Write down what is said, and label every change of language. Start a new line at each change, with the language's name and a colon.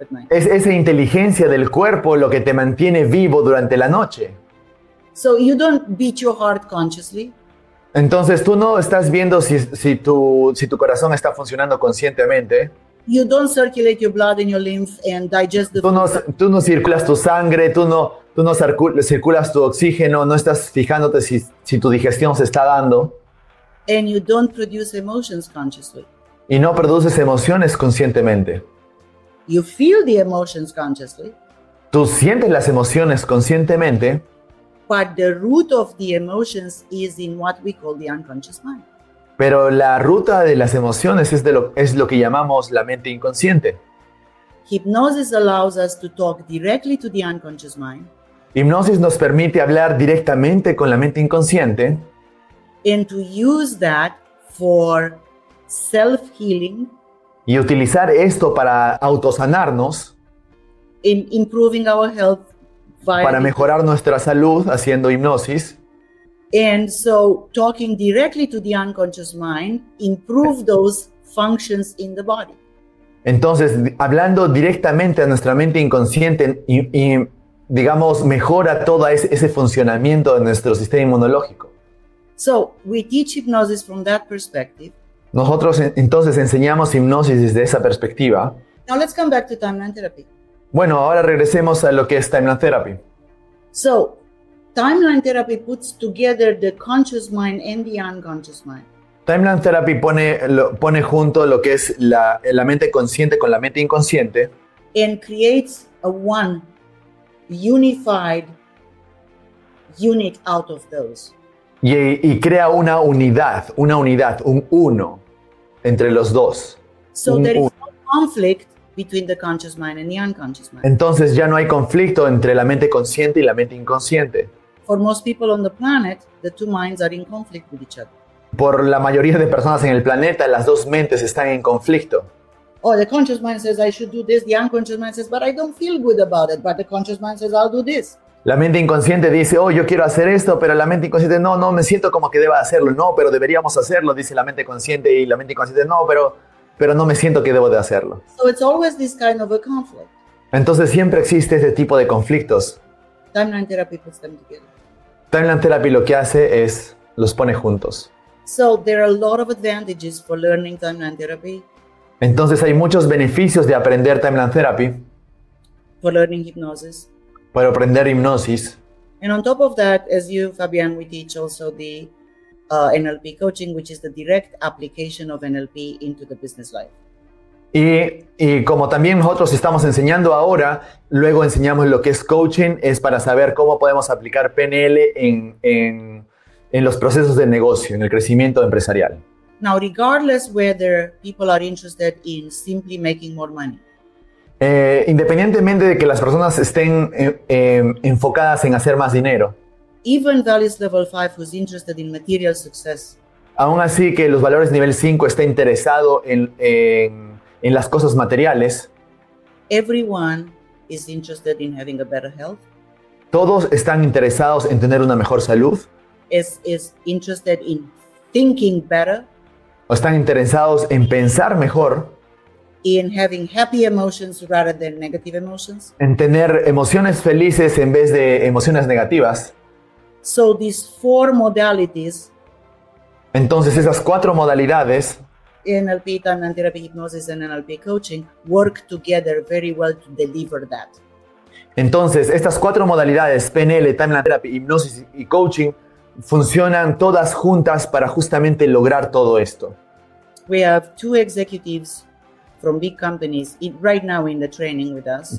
Spanish: Esa inteligencia del cuerpo lo que te mantiene vivo durante la noche.
English: So you don't beat your heart consciously.
Spanish: Entonces tú no estás viendo si tu corazón está funcionando conscientemente.
English: You don't circulate your blood in your lymph and digest the.
Spanish: Tú no circulas tu sangre, tú no circulas tu oxígeno, no estás fijándote si tu digestión se está dando.
English: And you don't produce emotions consciously.
Spanish: Y no produces emociones conscientemente.
English: You feel the emotions consciously.
Spanish: Tú sientes las emociones conscientemente.
English: But the root of the emotions is in what we call the unconscious mind.
Spanish: Pero la ruta de las emociones es lo que llamamos la mente inconsciente.
English: Hypnosis allows us to talk directly to the unconscious mind.
Spanish: Hipnosis nos permite hablar directamente con la mente inconsciente.
English: And to use that for self-healing.
Spanish: Y utilizar esto para autosanarnos.
English: In improving our health.
Spanish: Para mejorar nuestra salud haciendo hipnosis.
English: And so talking directly to the unconscious mind improve those functions in the body.
Spanish: Entonces, hablando directamente a nuestra mente inconsciente y digamos mejora todo ese funcionamiento de nuestro sistema inmunológico.
English: So we teach hypnosis from that perspective.
Spanish: Nosotros entonces enseñamos hipnosis desde esa perspectiva.
English: Now let's come back to timeline therapy.
Spanish: Bueno, ahora regresemos a lo que es timeline therapy.
English: So, timeline therapy puts together the conscious mind and the unconscious mind.
Spanish: Timeline therapy pone junto lo que es la mente consciente con la mente inconsciente.
English: And creates a one unified unit out of those.
Spanish: Y crea una unidad, un uno entre los dos.
English: So there is no conflict between the conscious mind and the unconscious mind.
Spanish: Entonces ya no hay conflicto entre la mente consciente y la mente inconsciente.
English: For most people on the planet, the two minds are in conflict with each other.
Spanish: Por la mayoría de personas en el planeta, las dos mentes están en conflicto.
English: Oh, the conscious mind says I should do this. The unconscious mind says, but I don't feel good about it. But the conscious mind says I'll do this.
Spanish: La mente inconsciente dice, oh, yo quiero hacer esto, pero la mente inconsciente, no, no, me siento como que deba hacerlo, no, pero deberíamos hacerlo, dice la mente consciente, y la mente inconsciente, no, pero no me siento que debo de hacerlo.
English: So it's always this kind of a conflict.
Spanish: Entonces siempre existe este tipo de conflictos.
English: Timeline therapy puts them together.
Spanish: Timeline therapy lo que hace es los pone juntos.
English: So there are a lot of advantages for learning timeline therapy.
Spanish: Entonces hay muchos beneficios de aprender timeline therapy.
English: For learning hypnosis.
Spanish: Para aprender hipnosis.
English: And on top of that, as you, Fabian, we teach also the NLP coaching, which is the direct application of NLP into the business life.
Spanish: Y como también nosotros estamos enseñando ahora, luego enseñamos lo que es coaching, es para saber cómo podemos aplicar PNL en los procesos de negocio, en el crecimiento empresarial.
English: Now, regardless whether people are interested in simply making more money.
Spanish: Independientemente de que las personas estén enfocadas en hacer más dinero.
English: Even values level 5 who's interested in material success.
Spanish: Aún así que los valores nivel 5 estén interesados en las cosas materiales.
English: Everyone is interested in having a better health.
Spanish: Todos están interesados en tener una mejor salud.
English: Is interested in thinking better.
Spanish: O están interesados en pensar mejor.
English: In having happy emotions rather than negative emotions.
Spanish: En tener emociones felices en vez de emociones negativas.
English: So these four modalities.
Spanish: Entonces esas cuatro modalidades.
English: NLP, timeline therapy, hypnosis, and NLP coaching work together very well to deliver that.
Spanish: Entonces estas cuatro modalidades, PNL, timeline therapy, hipnosis y coaching, funcionan todas juntas para justamente lograr todo esto.
English: We have two executives from big companies right now in the training with us.